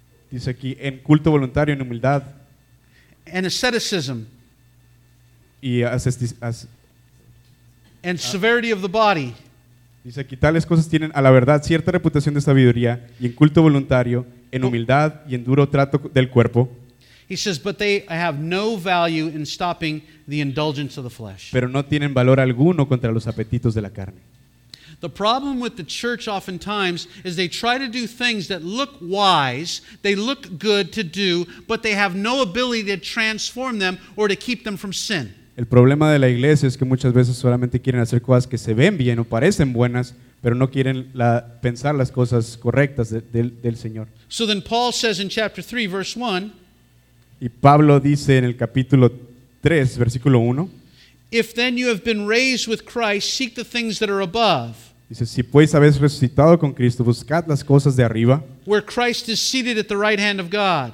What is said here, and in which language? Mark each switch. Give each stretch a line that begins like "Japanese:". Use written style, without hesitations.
Spanish: Dice aquí, en culto voluntario, en humildad.
English: And asceticism.
Spanish: Y asceticism.
English: And severity of the body.
Spanish: Dice aquí, tales cosas tienen a la verdad cierta reputación de sabiduría y en culto voluntario, en humildad y en duro trato del cuerpo.
English: He says, but they have no value in stopping the indulgence of the flesh.
Spanish: Pero no tienen valor alguno contra los apetitos de la carne.
English: The problem with the church oftentimes is they try to do things that look wise, they look good to do, but they have no ability to transform them or to keep them from sin.
Spanish: El problema de la iglesia es que muchas veces solamente quieren hacer cosas que se ven bien o parecen buenas, pero no quieren pensar las cosas correctas del Señor.
English: So then Paul says in chapter 3, verse 1,
Spanish: y Pablo dice en el capítulo 3, versículo 1,
English: if then you have been raised with Christ, seek the things that are above.
Spanish: Dice, si pues habéis resucitado con Cristo, buscad las cosas de arriba,
English: where Christ is seated at the right hand of God.